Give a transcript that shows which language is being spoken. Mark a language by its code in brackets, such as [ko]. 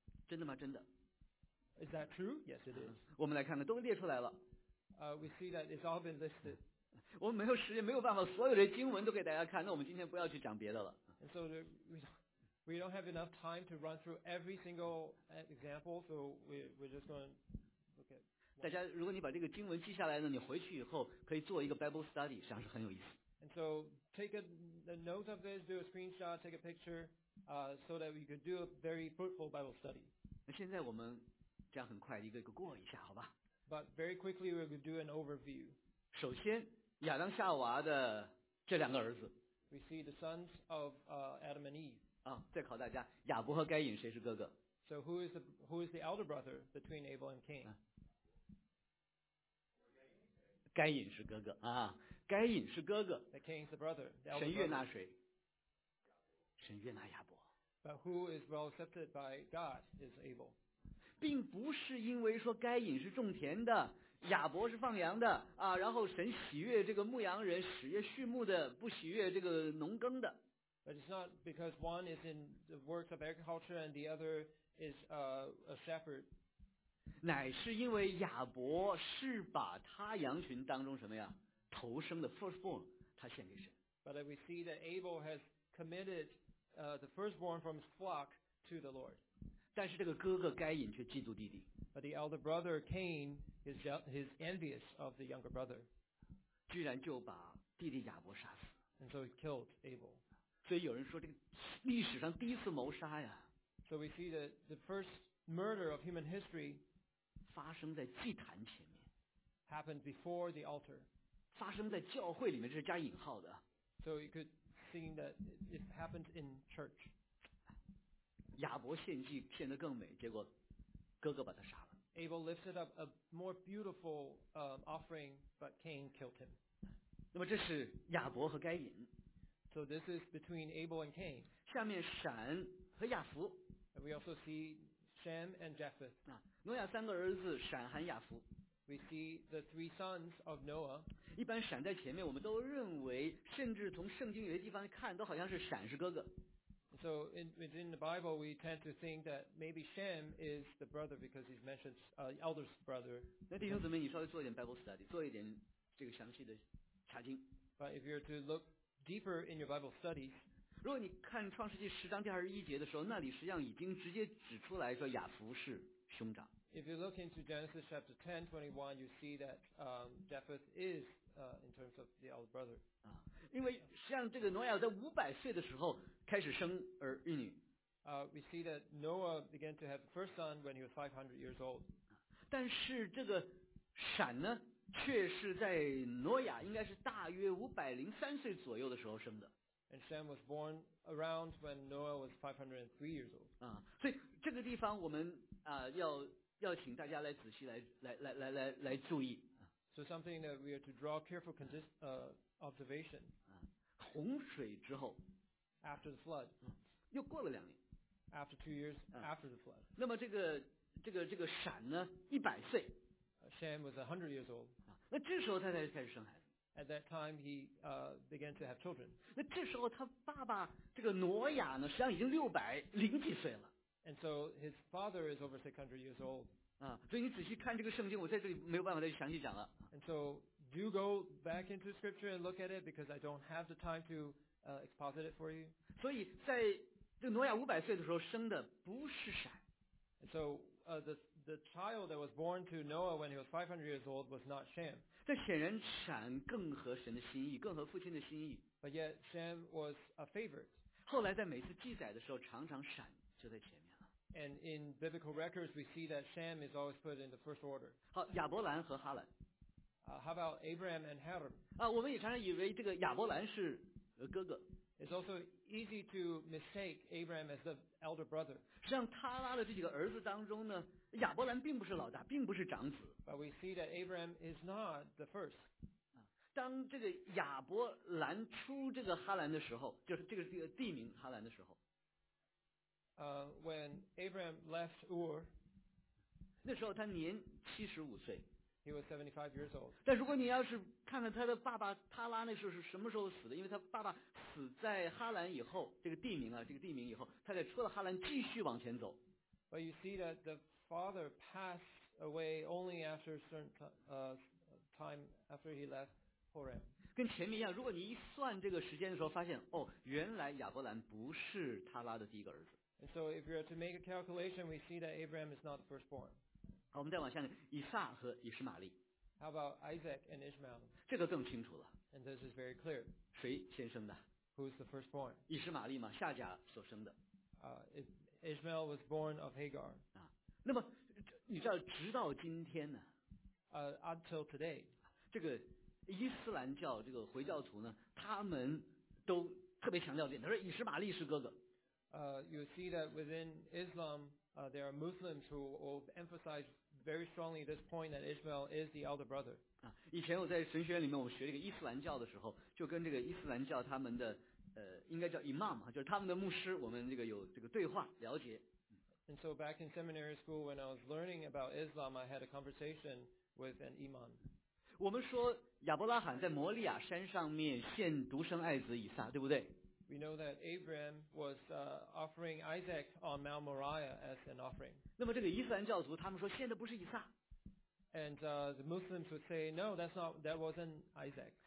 [zh] 真的吗？真的。 [en] Is that true? Yes, it is. [zh] 我们来看看，都列出来了。 [en] We see that it's all been listed. [zh] 我们没有时间，没有办法，所有的经文都给大家看。那我们今天不要去讲别的了。 [en] And so we don't have enough time to run through every single example, so we're just going to look at. [zh] 大家，如果你把这个经文记下来呢，你回去以后可以做一个 Bible study， 实际上是很有意思。 [en] And so take a note of this, do a screenshot, take a picture, so that we could do a very fruitful Bible study. [zh] 那现在我们这样很快一个一个过一下，好吧 [en] ？But very quickly we could do an overview. [zh] 首先。亚当夏娃的这两个儿子。 [en] We see the sons of Adam and Eve. [zh] 啊，再考大家，亚伯和该隐谁是哥哥 [en] ？So who is the elder brother between Abel and Cain?、啊、 [zh] 该隐是哥哥啊，该隐是哥哥。 [en] The Cain's the brother. [zh] 神悦纳谁？神悦纳亚伯。 [en] But who is well accepted by God is Abel. [zh] 并不是因为说该隐是种田的。亚伯是放羊的啊，然后神喜悦这个牧羊人，喜悦畜牧的，不喜悦这个农耕的。 [en] But it's not because one is in the works of agriculture and the other is a shepherd. [zh] 乃是因为亚伯是把他羊群当中什么呀，头生的 firstborn， 他献给神。 [en] But we see that Abel has committed the firstborn from his flock to the Lord. [zh] 但是这个哥哥该隐却嫉妒弟弟。 [en] But the elder brother Cain is envious of the younger brother. [zh] 居然就把弟弟亚伯杀死。 [en] And so he killed Abel. [zh] 所以有人说这个历史上第一次谋杀呀。 [en] So we see that the first murder of human history [zh] 发生在祭坛前面。 [en] Happened before the altar. [zh] 发生在教会里面，这是加引号的。 [en] So you could see that it happened in church. [zh] 亚伯献祭献得更美，结果。哥哥把他杀了。 [en] Abel lifted up a more beautiful offering, but Cain killed him. [zh] 那么这是亚伯和该隐。 [en] So this is between Abel and Cain. [zh] 下面闪和亚弗。 [en] And we also see Shem and Japheth. [zh] 啊，挪亚三个儿子闪、含、亚弗。 [en] We see the three sons of Noah. [zh] 一般闪在前面，我们都认为，甚至从圣经有些地方看，都好像是闪是哥哥。 [en] So within the Bible, we tend to think that maybe Shem is the brother because he's mentioned the elder's brother. [zh] 那弟兄姊妹，你稍微做一点 Bible study， 做一点这个详细的查经。 [en] But if you're to look deeper in your Bible studies, [zh] 如果你看创世纪十章第二十一节的时候，那里实际上已经直接指出来说亚弗是兄长。 [en] If you look into Genesis chapter 10:21, you see that Japheth is in terms of the elder brother. 啊， [zh] 因为像这个挪亚在五百岁的时候开始生儿育女。 [en] We see that Noah began to have the first son when he was 500 years old. [zh] 但是这个闪呢，却是在挪亚应该是大约503岁左右的时候生的。 [en] And Shem was born around when Noah was 503 years old. [zh] 所以这个地方我们要请大家来仔细来注意。 [en] So something that we are to draw careful observation. [zh] 洪水之后。 [en] After the flood. [zh] 又过了两年。 [en] After 2 years after the flood. [zh] 那么这个闪呢，一百岁。 [en] Shem was 100 years old. [zh] 那这时候他才开始生孩子。 [en] At that time, he began to have children. [zh] 那这时候他爸爸这个挪亚呢，实际上已经600几岁了。 [en] And so his father is over 600 years old. [zh] 所以你仔细看这个圣经，我在这里没有办法再详细讲了。 [en] And so do go back into scripture and look at it because I don't have the time to exposit it for you. [zh] 所以在这个挪亚五百岁的时候生的不是闪。 [en] And so the child that was born to Noah when he was 500 years old was not Shem. [zh] 这显然闪更合神的心意，更合父亲的心意。 [en] But yet Shem was a favorite. [zh] 后来在每次记载的时候，常常闪就在前面了。 [en] And in biblical records, we see that Shem is always put in the first order. [zh] 好，亚伯兰和哈兰。 [en] How about Abraham and Haran? [zh] 我们也常常以为这个亚伯兰是哥哥。 [en] It's also easy to mistake Abraham as the elder brother. [zh] 实际上，他拉的这几个儿子当中呢，亚伯兰并不是老大，并不是长子。 [en] But we see that Abraham is not the first. [zh] 当这个亚伯兰出这个哈兰的时候，就是这个地名哈兰的时候。 [en] When Abraham left Ur, [zh] 那时候他年75岁。 [en] He was 75 years old. [zh] 但如果你要是看看他的爸爸塔拉那时候是什么时候死的，因为他爸爸死在哈兰以后，这个地名以后，他才出了哈兰继续往前走。 [en] But you see that the father passed away only after a certain time after he left Haran. [zh] 跟前面一样，如果你一算这个时间的时候，发现哦，原来亚伯兰不是塔拉的第一个儿子。 [en] And so if you're to make a calculation, we see that Abraham is not the firstborn. [zh] 好，我们再往下看，以撒和以实玛利。 [en] How about Isaac and Ishmael? [zh] 这个更清楚了。 [en] And this is very clear. [zh] 谁先生的？ [en] Who's the firstborn? [zh] 以实玛利嘛，夏甲所生的。 [en] Ishmael was born of Hagar. [zh] 那么你知道，直到今天呢？ [en] Until today. [zh] 这个伊斯兰教这个回教徒呢，他们都特别强调点，他说以实玛利是哥哥。 [en] You see that within Islam, there are Muslims who will emphasize very strongly this point that Ishmael is the elder brother. [zh] 以前我在神学院里面，我学这个伊斯兰教的时候，就跟这个伊斯兰教他们的应该叫 imam 就是他们的牧师，我们这个有这个对话了解。 [en] And so back in seminary school, when I was learning about Islam, I had a conversation with an imam. [zh] 我们说亚伯拉罕在摩利亚山上面献独生爱子以撒，对不对？ [en] We know that Abraham was offering Isaac on Mount Moriah as an offering. [zh] 那么这个伊斯兰教徒他们说献的不是以撒。 [en] And the Muslims would say, no, that wasn't Isaac.